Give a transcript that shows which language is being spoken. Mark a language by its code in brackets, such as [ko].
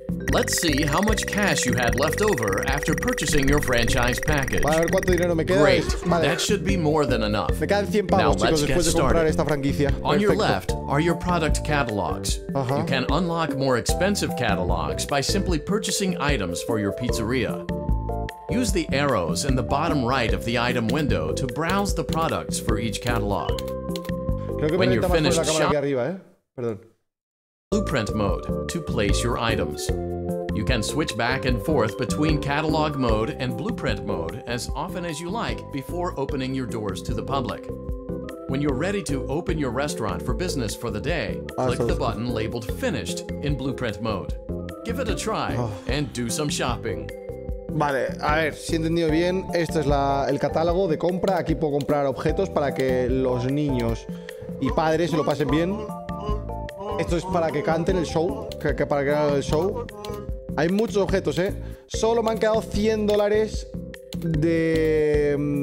[en] Let's see how much cash you had left over after purchasing your franchise package. [es] Vale, a ver cuánto dinero me queda. [en] Great. [es] Vale. [en] That should be more than enough. [es] Me quedan 100 pavos, chicos, después de comprar esta franquicia. [en] On your left are your product catalogs. You can unlock more expensive catalogs by simply purchasing items for your pizzeria. Use the arrows in the bottom right of the item window to browse the products for each catalog. When you're finished shopping, Blueprint mode to place your items. You can switch back and forth between catalog mode and blueprint mode as often as you like before opening your doors to the public. When you're ready to open your restaurant for business for the day, click the button labeled finished in blueprint mode. Give it a try and do some shopping. [es] Vale, a ver, si he entendido bien, esto es el catálogo de compra. Aquí puedo comprar objetos para que los niños y padres se lo pasen bien. Esto es para que canten el show, para que hagan el show. Hay muchos objetos, ¿eh? Solo me han quedado 100 dólares de...